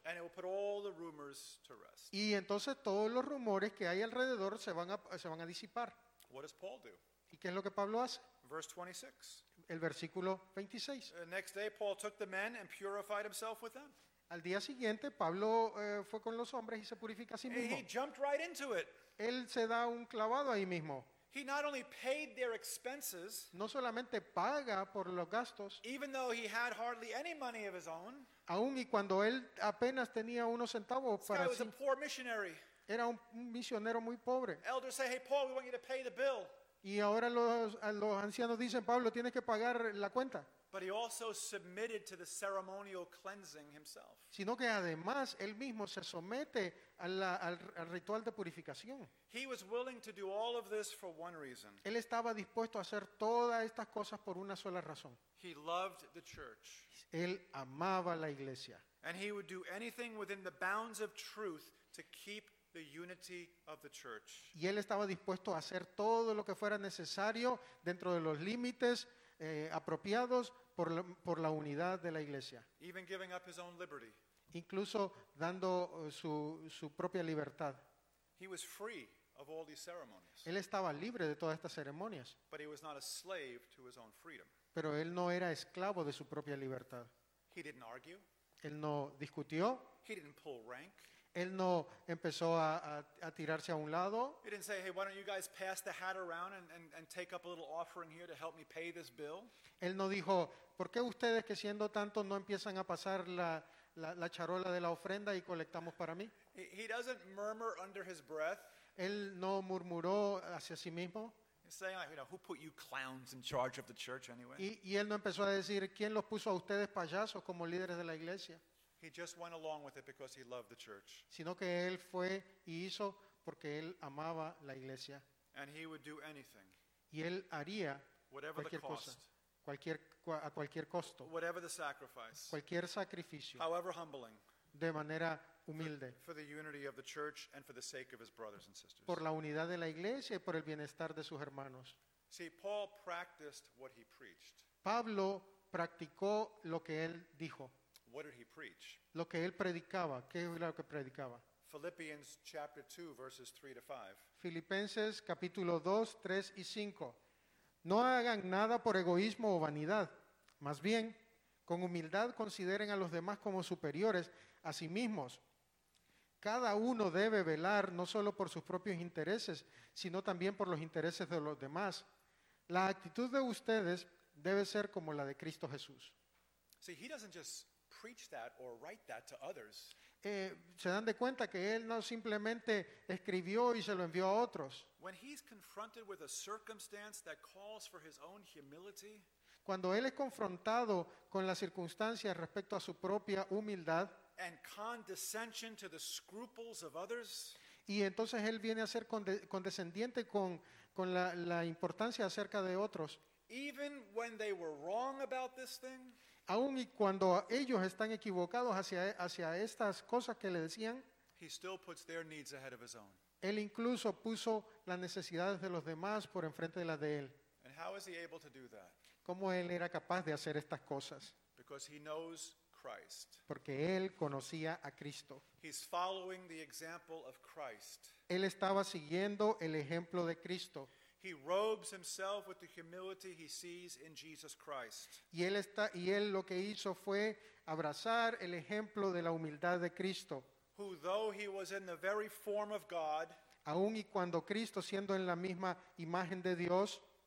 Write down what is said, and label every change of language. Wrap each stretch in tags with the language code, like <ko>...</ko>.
<en>And it will put all the rumors to rest.</en> <es>Y entonces todos los rumores que hay alrededor se van a disipar.</es> <en>What does Paul do?</en> <es>¿Y qué es lo que Pablo hace?</es> <en>Verse 26.</en> <es>El versículo 26.</es> <en>The next day Paul took the men and purified himself with them.</en> <es>Al día siguiente, Pablo fue con los hombres y se purifica a sí mismo.</es> <en>He jumped right into it.</en> <es>Él se da un clavado ahí mismo.</es> <en>He not only paid their expenses,</en> <es>no solamente paga por los gastos,</es> <en>even though he had hardly any money of his own,</en> <es>aun y cuando él apenas tenía unos centavos para sí.</es> <en>This guy was a poor missionary.</en> <es>Era un misionero muy pobre.</es> <en>Elders say, hey, Paul, we want you to pay the bill.</en> <es>Y ahora los ancianos dicen, Pablo, tienes que pagar la cuenta.</es> <en>But he also submitted to the ceremonial cleansing himself.</en> <es>Sino que además él mismo se somete al ritual de purificación.</es> <en>He was willing to do all of this for one reason.</en> <es>Él estaba dispuesto a hacer todas estas cosas por una sola razón.</es> <en>He loved the church.</en> <es>Él amaba la iglesia.</es> <en>And he would do anything within the bounds of truth to keep the unity of the church.</en> <es>Y él estaba dispuesto a hacer todo lo que fuera necesario dentro de los límites apropiados por la unidad de la iglesia.</es> <en>Even giving up his own liberty.</en> <es>Incluso dando su propia libertad.</es> <en>He was free of all these ceremonies.</en> <es>Él estaba libre de todas estas ceremonias.</es> <en>But he was not a slave to his own freedom.</en> <es>Pero él no era esclavo de su propia libertad.</es> <en>He didn't argue.</en> <es>Él no discutió.</es> <en>He didn't pull rank.</en> <es>Él no empezó a tirarse a un lado.</es> <en>He didn't say, hey, why don't you guys pass the hat around and take up a little offering here to help me pay this bill?</en> <es>Él no dijo, ¿por qué ustedes que siendo tanto no empiezan a pasar la charola de la ofrenda y colectamos para mí?</es> <en>He doesn't murmur under his breath.</en> <es>Él no murmuró hacia sí mismo.</es> <en>He's saying, you know, who put you clowns in charge of the church anyway?</en> <es>Y él no empezó a decir, ¿quién los puso a ustedes payasos como líderes de la iglesia?</es> <en>He just went along with it because he loved the church.</en> <es>Sino que él fue y hizo porque él amaba la iglesia.</es> <en>And he would do anything.</en> <es>Y él haría</es> <en>whatever</en> <es>cualquier</es> <en>the cost.</en> <es>Cosa, cualquier a cualquier costo.</es> <en>Whatever the sacrifice.</en> <es>Cualquier sacrificio.</es> <en>However humbling.</en> <es>de manera humilde.</es> <en>For the unity of the church and for the sake of his brothers and sisters.</en> <es>Por la unidad de la iglesia y por el bienestar de sus hermanos.</es> <en>See, Paul practiced what he preached.</en> <es>Pablo practicó lo que él dijo.</es> <en>What did he preach?</en> <es>Lo que él predicaba, ¿qué era lo que predicaba?</es> <en>Philippians chapter 2 verses 3 to 5.</en> <es>Filipenses capítulo 2, 3 y 5. No hagan nada por egoísmo o vanidad, más bien, con humildad consideren a los demás como superiores a sí mismos. Cada uno debe velar no solo por sus propios intereses, sino también por los intereses de los demás. La actitud de ustedes debe ser como la de Cristo Jesús.</es> <en>See, he doesn't just preach that or write that to others.</en> <es>Se dan de cuenta que él no simplemente escribió y se lo envió a otros.</es> <en>When he's confronted with a circumstance that calls for his own humility,</en> <es>cuando él es confrontado con las circunstancias respecto a su propia humildad</es> <en>and condescension to the scruples of others,</en> <es>y entonces él viene a ser condescendiente con la importancia acerca de otros,</es> <en>even when they were wrong about this thing,</en> <es>aun y cuando ellos están equivocados hacia estas cosas que le decían,</es> <en>he still puts their needs ahead of his own.</en> <es>Él incluso puso las necesidades de los demás por enfrente de las de él.</es> <en>And how is he able to do that?</en> <es>¿Cómo él era capaz de hacer estas cosas?</es> <en>Because he knows Christ.</en> <es>Porque él conocía a Cristo.</es> <en>He's following the example of Christ.</en> <es>Él estaba siguiendo el ejemplo de Cristo.</es> <en>He robes himself with the humility he sees in Jesus Christ.</en> <es>Y él lo que hizo fue abrazar el ejemplo de la humildad de Cristo.</es> <en>Who, though he was in the very form of God,</en> <es>aun y cuando Cristo siendo en la misma imagen de Dios,</es>